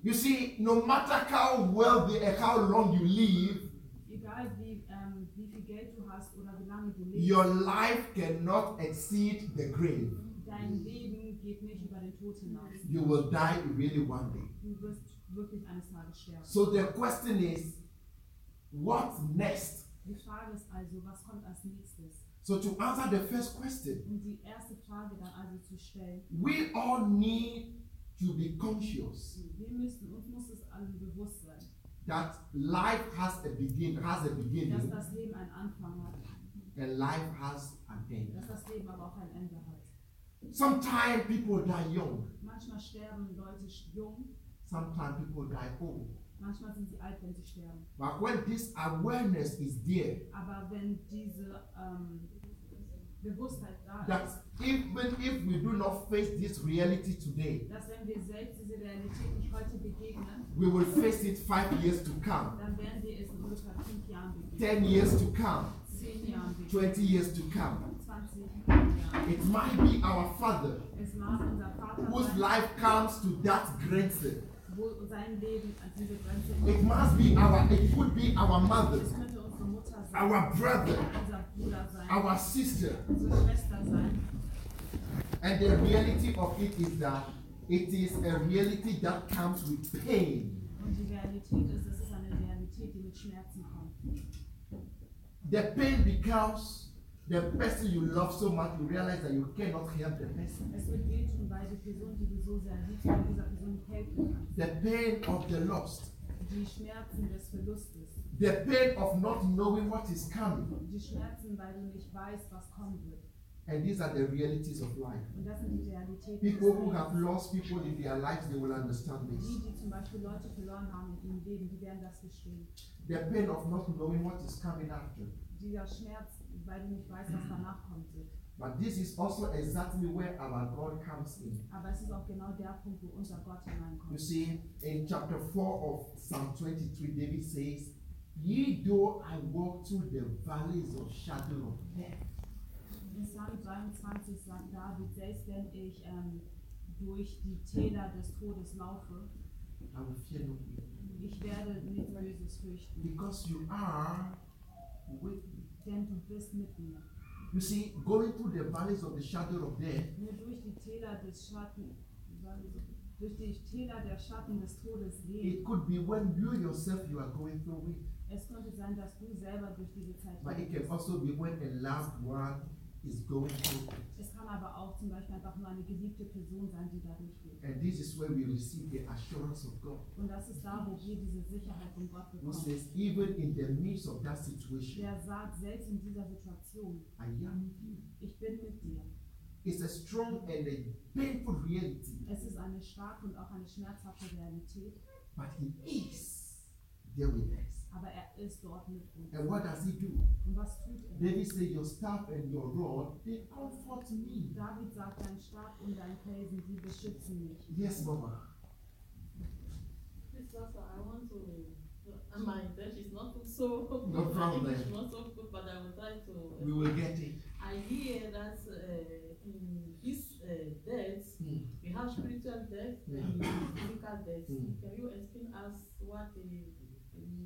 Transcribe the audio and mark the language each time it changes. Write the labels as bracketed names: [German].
[English] You see, no matter how wealthy or how long you live, [German] egal wie, wie viel Geld du hast oder wie lange du lebst, [English] your life cannot exceed the grave. [German] Dein Leben geht nicht über den Tod hinaus. [English] You will die really one day. [German] Du wirst wirklich eines Tages sterben. [English] So the question is, what next? [German] Die Frage ist also, was kommt als nächstes? [English] So to answer the first question, [German] und die erste Frage dann also zu stellen, [English] we all need to be conscious. [German] Wir müssen uns muss es also bewusst sein. [English] That life has a beginning. [German] Dass das Leben einen Anfang hat. [English] And life has an end. [German] Dass das Leben aber auch ein Ende hat. [English] Sometimes people die young. [German] Manchmal sterben Leute jung. [English] Sometimes people die old. [German] Manchmal sind sie alt, wenn sie sterben. [English] But when this awareness is there, [German] aber wenn diese Bewusstheit da [English] that [German] ist, [English] even if we do not face this reality today, [German] dass wenn wir selbst diese Realität nicht heute begegnen, [English] we will face it 5 years to come, [German] dann werden wir es in ungefähr 5 Jahren begegnen, [English] 10 years to come, [German] 10 Jahren, [English] 20 years to come. [German] 20 Jahre. [English] It might be our father, [German] es mag unser Vater [English] whose [German] sein, [English] life comes to that grenze. [German] Wo sein Leben an diese Grenze kommt. [English] It must be our, it could be our mother, [German] es könnte unsere Mutter sein, [English] our brother, [German] unser Bruder sein, [English] our sister, [German] unsere Schwester sein. [English] And the reality of it is that it is a reality that comes with pain. [German] Und die Realität ist, es ist eine Realität, die mit Schmerzen kommt. [English] The pain becomes the person you love so much, you realize that you cannot help the person. [German] Es wird wehtun, weil die Person, die du so sehr liebst, von dieser Person helfen kann. [English] The pain of the lost. [German] Die Schmerzen des Verlustes. [English] The pain of not knowing what is coming. [German] Die Schmerzen, weil du nicht weißt, was kommen wird. [English] And these are the realities of life. [German] Und das sind die Realitäten. [English] People who have lost people in their lives, they will understand this. [German] Die, die zum Beispiel Leute verloren haben in ihrem Leben, die werden das verstehen. [English] The pain of not knowing what is coming after. [German] Dieser Schmerz, weil du nicht weißt, was danach kommt. [English] But this is also exactly where our God comes in. [German] Aber es ist auch genau der Punkt, wo unser Gott hineinkommt. [English] You see, in chapter 4 of Psalm 23, David says, "Ye though I walk through the valleys of shadow of death." [German] In Psalm 23 sagt David, selbst wenn ich durch die Täler des Todes laufe, [English] I will fear no evil. [German] Ich werde nichts Böses fürchten. [English] Because you are with me. [German] Denn du bist mit mir. [English] You see, going through the valleys of the shadow of death. [German] Nur durch die Täler des Schatten, durch die Täler der Schatten des Todes gehen. [English] It could be when you yourself you are going through it. [German] Es könnte sein, dass du selber durch diese Zeit gehst. [English] But it can also be when a loved one is going through it. [German] Es kann aber auch zum Beispiel einfach nur eine geliebte Person sein, die dadurch geht. [English] And this is where we receive the assurance of God. [German] Und das ist da, wo wir diese Sicherheit von Gott bekommen. [English] Who says, even in the midst of that situation, [German] der sagt, selbst in dieser Situation, [English] I am with you. [German] Ich bin mit dir. [English] It's a strong and a painful reality. [German] Es ist eine starke und auch eine schmerzhafte Realität. [English] But he is there with us. [German] Aber er ist dort mit uns. [English] And what does he do? [German] Und was tut er? [English] David says, your staff and your rod, they comfort me. [German] David sagt, dein Stab und dein Felsen, die beschützen mich. [English] Yes, Mama. Christopher, I want to. My Dutch is not so good. No problem. English not so good, but I would like to. We will get it. I hear that in his death, we have spiritual death and physical death. Can you explain us what the.